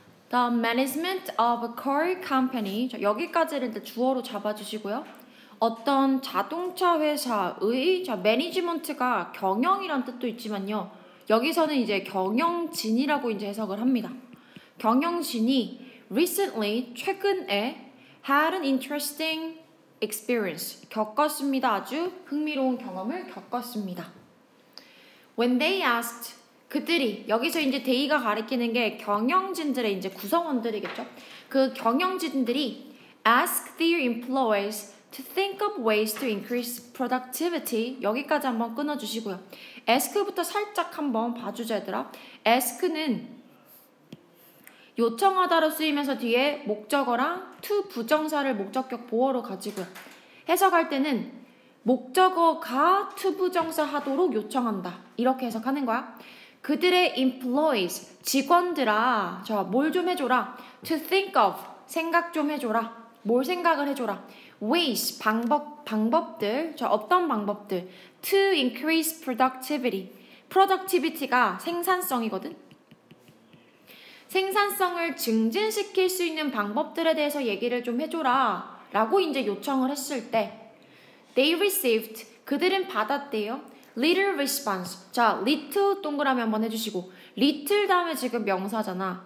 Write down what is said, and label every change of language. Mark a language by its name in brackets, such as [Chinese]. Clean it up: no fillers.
[English] The management of a car company. [Korean] 자, 여기까지를 일단 주어로 잡아주시고요. 어떤 자동차 회사의, 자, 매니지먼트가 경영이란 뜻도 있지만요. 여기서는 이제 경영진이라고 이제 해석을 합니다. [English] 경영진이 recently, 최근에 had an interesting experience. [Korean] 겪었습니다. 아주 흥미로운 경험을 겪었습니다. [English] When they asked, [Korean] 그들이, 여기서 이제 they가 가리키는 게 경영진들의 이제 구성원들이겠죠. 그 경영진들이 [English] ask their employees to think of ways to increase productivity. [Korean] 여기까지 한번 끊어주시고요. ask부터 살짝 한번 봐주자 얘들아. ask는 요청하다로 쓰이면서 뒤에 목적어랑 to 부정사를 목적격 보어로 가지고요. 해석할 때는 목적어가 to 부정사 하도록 요청한다. 이렇게 해석하는 거야. 그들의 employees, 직원들아, 저 뭘 좀 해줘라. [English] to think of, [Korean] 생각 좀 해줘라. 뭘 생각을 해줘라. ways, 방법들, 저 어떤 방법들. [English] to increase productivity. [Korean] productivity가 생산성이거든. 생산성을 증진시킬 수 있는 방법들에 대해서 얘기를 좀 해줘라 라고 이제 요청을 했을 때 [English] they received, [Korean] 그들은 받았대요. [English] little response. [Korean] 자, little 동그라미 한번 해주시고 little 다음에 지금 명사잖아.